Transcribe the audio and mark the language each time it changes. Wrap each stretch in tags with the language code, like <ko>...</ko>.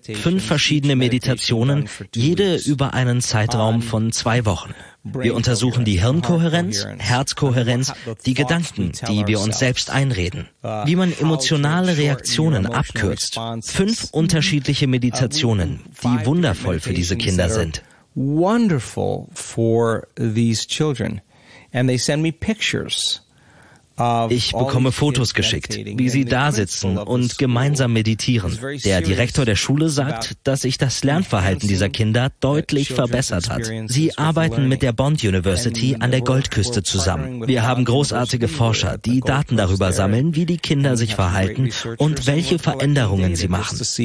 <de>5 verschiedene Meditationen, jede über einen Zeitraum von 2 Wochen. Wir untersuchen die Hirnkohärenz, Herzkohärenz, die Gedanken, die wir uns selbst einreden, wie man emotionale Reaktionen abkürzt. 5 unterschiedliche Meditationen, die wundervoll für diese Kinder sind.</de> <en>Wonderful for these children. And they send me pictures.</en> <de>Ich bekomme Fotos geschickt, wie sie da sitzen und gemeinsam meditieren. Der Direktor der Schule sagt, dass sich das Lernverhalten dieser Kinder deutlich verbessert hat. Sie arbeiten mit der Bond University an der Goldküste zusammen. Wir haben großartige Forscher, die Daten darüber sammeln, wie die Kinder sich verhalten und welche Veränderungen sie machen.</de>